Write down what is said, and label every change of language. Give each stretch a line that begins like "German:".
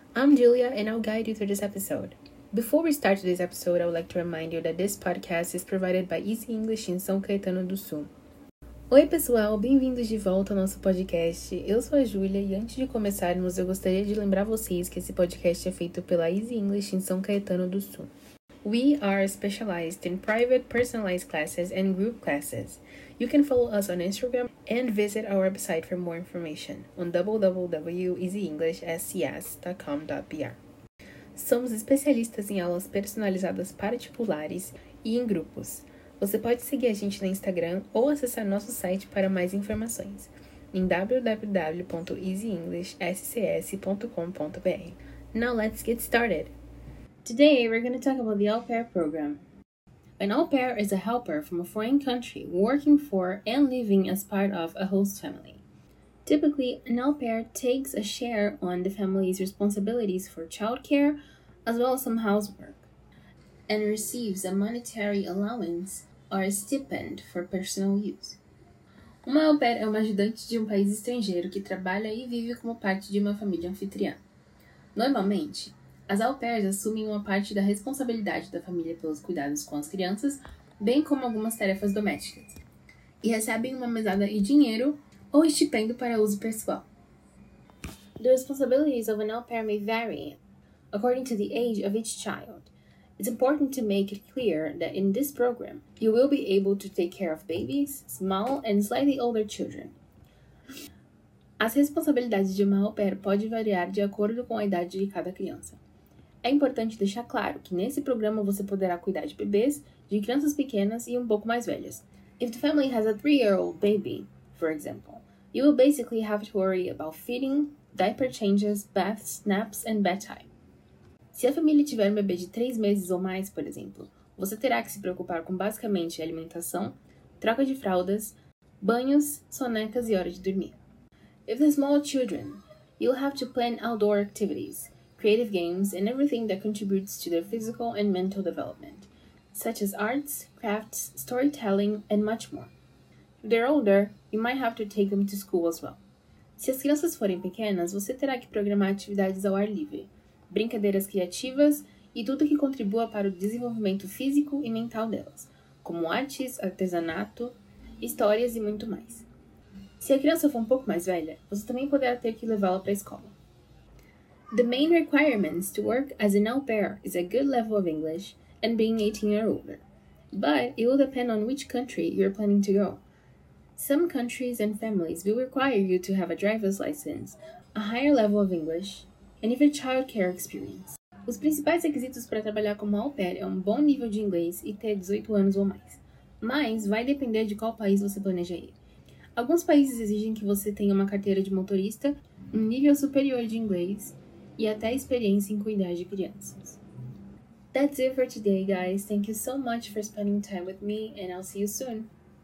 English: I'm Julia and I'll guide you through this episode. Before we start today's episode, I would like to remind you that this podcast is provided by Easy English in São Caetano do Sul.
Portuguese: Oi pessoal, bem-vindos de volta ao nosso podcast. Eu sou a Julia e antes de começarmos, eu gostaria de lembrar vocês que esse podcast é feito pela Easy English in São Caetano do Sul.
English: We are specialized in private personalized classes and group classes. You can follow us on Instagram and visit our website for more information on www.easyenglishscs.com.br.
Portuguese: Somos especialistas em aulas personalizadas particulares e em grupos. Você pode seguir a gente no Instagram ou acessar nosso site para mais informações em www.easyenglishscs.com.br.
English: Now let's get started! Today we're going to talk about the Au Pair program. An au pair is a helper from a foreign country working for and living as part of a host family. Typically, an au pair takes a share on the family's responsibilities for childcare as well as some housework and receives a monetary allowance or a stipend for personal use.
Portuguese: Uma au pair é uma ajudante de um país estrangeiro que trabalha e vive como parte de uma família anfitriã. Normalmente, as au pairs assumem uma parte da responsabilidade da família pelos cuidados com as crianças, bem como algumas tarefas domésticas, e recebem uma mesada e dinheiro ou estipêndio para uso pessoal.
English: The responsibilities of an au pair may vary according to the age of each child. It's important to make it clear that in this program, you will be able to take care of babies, small and slightly older children.
Portuguese: As responsabilidades de uma au pair podem variar de acordo com a idade de cada criança. É importante deixar claro que nesse programa você poderá cuidar de bebês, de crianças pequenas e um pouco mais velhas.
English: If the family has a 3-year-old baby, for example, you will basically have to worry about feeding, diaper changes, baths, naps, and bedtime.
Portuguese: Se a família tiver um bebê de 3 meses ou mais, por exemplo, você terá que se preocupar com basicamente alimentação, troca de fraldas, banhos, sonecas e hora de dormir.
English: If the small children, you'll have to plan outdoor activities, creative games, and everything that contributes to their physical and mental development, such as arts, crafts, storytelling, and much more. If they're older, you might have to take them to school as well.
Portuguese: Se as crianças forem pequenas, você terá que programar atividades ao ar livre, brincadeiras criativas e tudo que contribua para o desenvolvimento físico e mental delas, como artes, artesanato, histórias e muito mais. Se a criança for um pouco mais velha, você também poderá ter que levá-la para a escola.
English: The main requirements to work as an au pair is a good level of English and being 18 or older, but it will depend on which country you're planning to go. Some countries and families will require you to have a driver's license, a higher level of English, and even childcare experience.
Portuguese: Os principais requisitos para trabalhar como au pair é um bom nível de inglês e ter 18 anos ou mais, mas vai depender de qual país você planeja ir. Alguns países exigem que você tenha uma carteira de motorista, um nível superior de inglês, e até experiência em cuidar de crianças.
English: That's it for today, guys. Thank you so much for spending time with me, and I'll see you soon.